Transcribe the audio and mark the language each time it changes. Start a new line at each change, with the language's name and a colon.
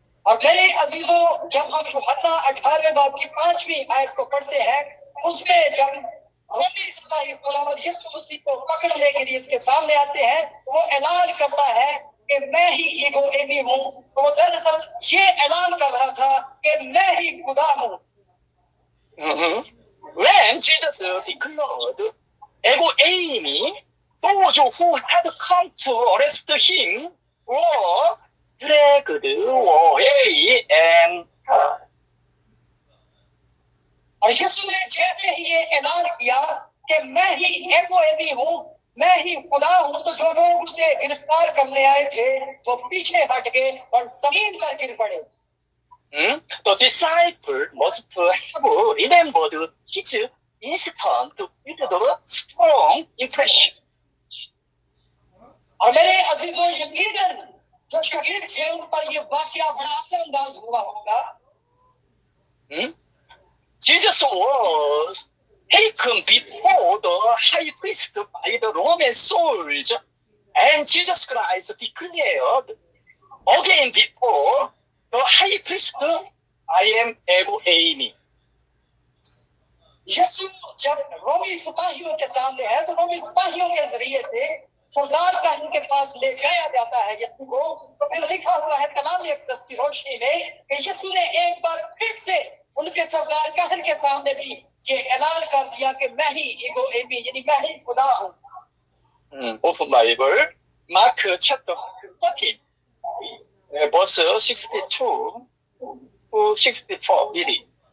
Urdu: اور میرے عزیزوں جب ہم یوحنا 18 باب کی 5 آیت کو پڑھتے ہیں اس میں جب رومی سپاہی خداوند یسوع مسیح کو پکڑنے کے لیے اس کے سامنے آتے ہیں وہ اعلان کرتا ہے کہ میں ہی ایگو ایمی ہوں تو وہ دراصل یہ اعلان کر رہا تھا کہ میں ہی خدا ہوں.
English: When Jesus declared ego aimi, those who had come to arrest him were dragged away and
Urdu: اور یسوع نے جیسے ہی یہ اعلان کیا کہ میں ہی ایگو ایمی ہوں میں ہی خدا ہوں تو جو لوگ اسے گرفتار کرنے آئے تھے وہ پیچھے ہٹ گئے اور زمین پر گر پڑے.
English: The disciple must have remembered his instant to build a strong impression.
Urdu: اور میرے عزیزوں یقیناً جو شاگرد تھے ان پر یہ واقعہ بڑا اثر انداز ہوا ہوگا.
English: Jesus was taken before the high priest by the Roman soldiers, and Jesus Christ declared again before the high priest, I am ego eimi.
Urdu: یسوع جب رومی سپاہیوں کے سامنے ہے تو رومی سپاہیوں کے ذریعے سے سردار کا ان کے پاس لے جایا جاتا ہے یسوع کو. تو پھر لکھا ہوا ہے کلام اقدس کی روشنی میں کہ یسوع نے ایک بار پھر سے ان کے سردار کہن کے سامنے بھی یہ اعلان کر دیا کہ میں ہی ایگو ایمی یعنی میں ہی خدا ہوں. 오토바이를 마크 차트 허팅 버스 62, 64mm.